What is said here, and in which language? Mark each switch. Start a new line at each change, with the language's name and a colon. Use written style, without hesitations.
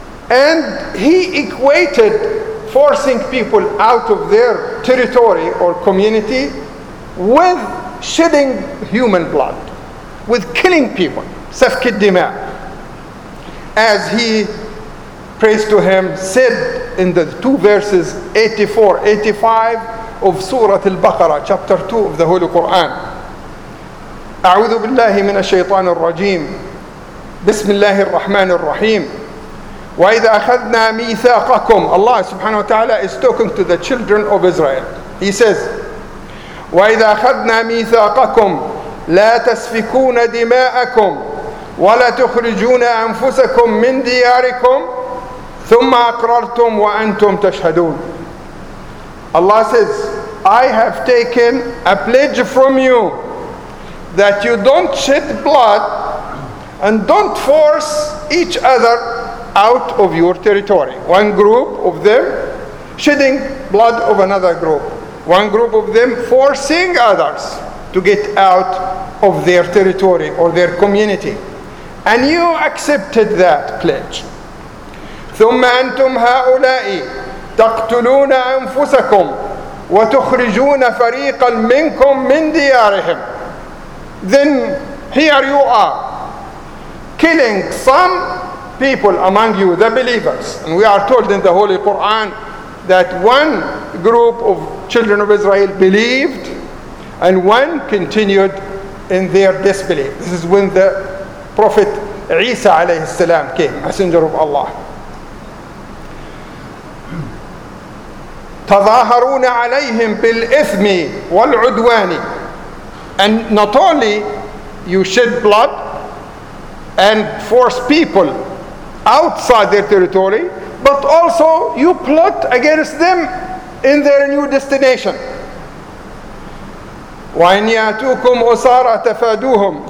English: And he equated forcing people out of their territory or community with shedding human blood, with killing people,
Arabic: سفك الدماء,
English: as he, praise to him, said in the two verses 84, 85 of Surah Al-Baqarah, chapter 2 of the Holy Quran.
Arabic: أعوذ بالله من الشيطان الرجيم بسم الله الرحمن الرحيم وإذا أخذنا ميثاقكم.
English: Allah subhanahu wa ta'ala is talking to the children of Israel. He says,
Arabic: وإذا أخذنا ميثاقكم لا تسفكون دماءكم ولا تخرجون أنفسكم من دياركم ثم أقررتم وأنتم تشهدون.
English: Allah says, I have taken a pledge from you that you don't shed blood and don't force each other out of your territory. One group of them shedding blood of another group. One group of them forcing others to get out of their territory or their community. And you accepted that pledge.
Arabic: ثم أنتم هؤلاء تقتلون أنفسكم وتخرجون فريقا منكم من ديارهم.
English: Then here you are killing some people among you, the believers. And we are told in the Holy Quran that one group of children of Israel believed and one continued in their disbelief. This is when the Prophet Isa alayhi salam came, messenger of Allah.
Arabic: تظاهرون عليهم بالإثم والعدوان.
English: And not only you shed blood and force people outside their territory, but also you plot against them in their new destination.
Arabic: وَإِنْ يَأْتُوكُمْ أُسَارَ تَفَادُوهُمْ.